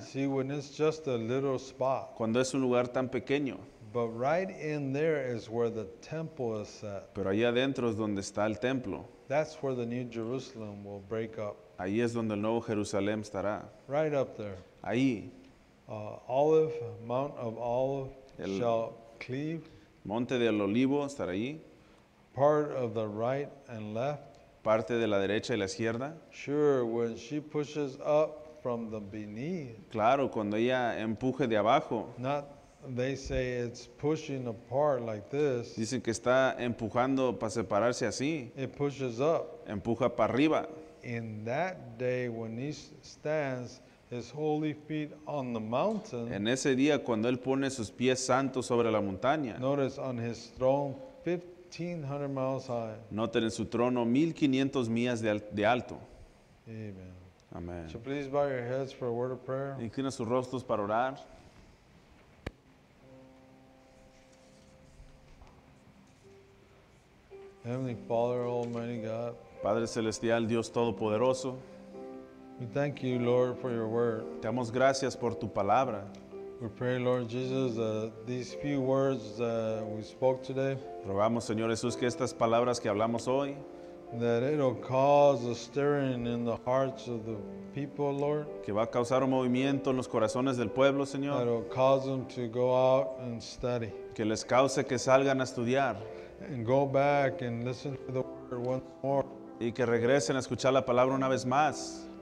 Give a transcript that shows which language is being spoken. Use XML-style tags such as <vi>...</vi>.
<en>See, when it's just a little spot.</en> <es>Cuando es un lugar tan pequeño.</es> <en>But right in there is where the temple is set.</en> <es>Pero ahí adentro es donde está el templo.</es> <en>That's where the new Jerusalem will break up.</en> <es>Ahí es donde el nuevo Jerusalén estará.</es> <en>Right up there.</en> <es>Ahí.</es> <en>Olive, Mount of Olive el shall cleave.</en> <es>Monte del Olivo estará allí.</es> <en>Part of the right and left.</en> <es>Parte de la derecha y la izquierda.</es> <en>Sure, when she pushes up from the beneath.</en> <es>Claro, cuando ella empuje de abajo.</es> <en>Not, they say it's pushing apart like this.</en> <es>Dicen que está empujando para separarse así.</es> <en>It pushes up.</en> <es>Empuja para arriba.</es> <en>In that day when he stands his holy feet on the mountain.</en> <es>En ese día cuando él pone sus pies santos sobre la montaña.</es> <en>Notice on his throne 1,500 miles high.</en> <es>Noten en su trono 1,500 millas de alto.</es> <en>Amen.</en> <es>Amen.</es> <en>So please bow your heads for a word of prayer.</en> <es>Inclina sus rostros para orar.</es> <en>Heavenly Father, Almighty God.</en> <es>Padre Celestial, Dios Todopoderoso.</es> <en>We thank you, Lord, for your word.</en> <es>Te damos gracias por tu palabra.</es> <en>We pray, Lord Jesus, these few words that we spoke today.</en> <es>Rogamos, Señor Jesús, que estas palabras que hablamos hoy,</es> <en>that it'll cause a stirring in the hearts of the people, Lord.</en> <es>Que va a causar un movimiento en los corazones del pueblo, Señor.</es> <en>That'll cause them to go out and study.</en> <es>Que les cause que salgan a estudiar.</es> <en>And go back and listen to the word once more.</en> <es>Y que regresen a escuchar la palabra una vez más.</es>